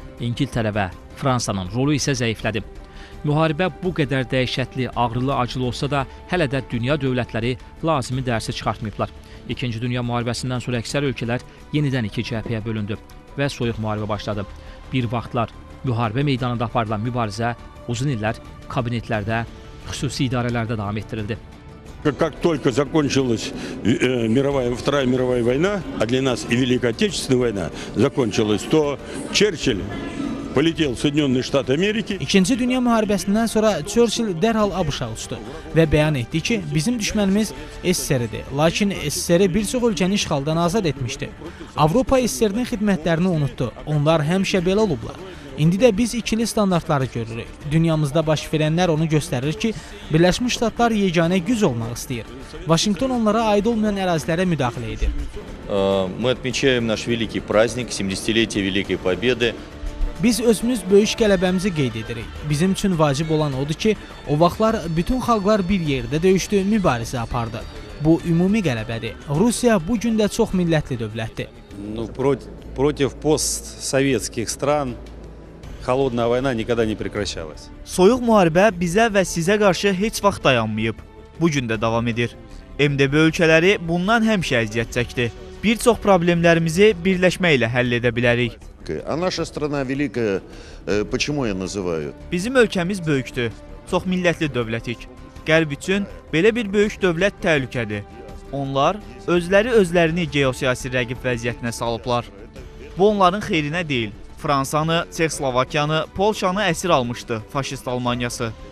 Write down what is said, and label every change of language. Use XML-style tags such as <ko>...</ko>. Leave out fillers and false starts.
<az>İngiltərə və Fransanın rolu isə zəiflədi. Müharibə bu qədər dəhşətli, ağrılı, acılı olsa da hələ də dünya dövlətləri lazımi dərsi çıxartmayıblar. İkinci Dünya müharibəsindən sonra əksər ölkələr yenidən iki cəbhəyə bölündü və soyuq müharibə başladı. Bir vaxtlar müharibə meydanında aparılan mübarizə uzun illər kabinetlərdə, xüsusi idarələrdə davam etdirildi.</az> <ru>Как только закончилась мировая, Вторая мировая война, а для нас и Великая Отечественная война закончилась, то Черчилль полетел в Соединенные Штаты Америки.</ru> <az>İkinci Dünya Müharibəsindən sonra Churchill dərhal ABŞ-a uçdu və bəyan etdi ki, bizim düşmənimiz SSR idi. Lakin SSR bir çox ölkəni işğaldan azad etmişdi. Avropa SSR-nin xidmətlərini unutdu. Onlar həmişə belə olublar. İndi də biz ikili standartları görürük. Dünyamızda baş verənlər onu göstərir ki, Birləşmiş Ştatlar yeganə güc olmaq istəyir. Vaşinqton onlara aid olmayan ərazilərə müdaxilə edir.</az> <ru>Мы отмечаем наш великий праздник, 70-летие Великой Победы.</ru> <az>Biz özümüz böyük qələbəmizi qeyd edirik. Bizim üçün vacib olan odur ki, o vaxtlar bütün xalqlar bir yerdə döyüşdü, mübarizə apardı. Bu ümumi qələbədir. Rusiya bu gün də çox millətli dövlətdir.</az> <ru>Ну, против постсоветских стран холодная война никогда не прекращалась.</ru> <az>Soyuq müharibə bizə və sizə qarşı heç vaxt dayanmayıb. Bu gün də davam edir. MDB ölkələri bundan həmişə əziyyət çəkdi. Bir çox problemlərimizi birləşməklə həll edə bilərik.</az> <ru>А наша страна великая, почему я называю?</ru> <az>Bizim ölkəmiz böyükdür. Çox millətli dövlətik. Qərb üçün belə bir böyük dövlət təhlükədir. Onlar özləri özlərini geosiyasi rəqib vəziyyətinə salıblar. Bu onların xeyrinə deyil. Fransanı, Çexoslovakiyanı, Polşanı əsir almışdı faşist Almaniyası.</az>